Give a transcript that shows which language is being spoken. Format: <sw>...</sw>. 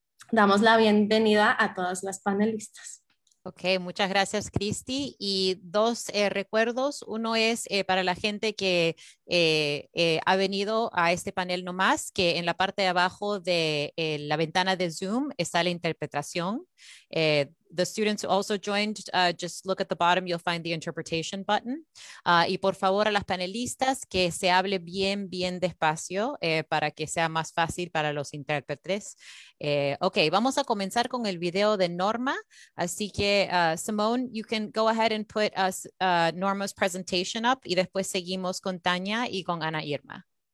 <es>Damos la bienvenida a todas las panelistas. Ok, muchas gracias, Christy. Y dos recuerdos. Uno es para la gente que ha venido a este panel nomás, que en la parte de abajo de la ventana de Zoom está la interpretación.</es> <en>The students who also joined, just look at the bottom, you'll find the interpretation button.</en> <es>Y por favor, a las panelistas, que se hable bien, bien despacio para que sea más fácil para los intérpretes. Ok, vamos a comenzar con el video de Norma. Así que, Simone,</es> <en>you can go ahead and put Norma's presentation up</en> <es>y después seguimos con Tania y con Ana Irma.</es>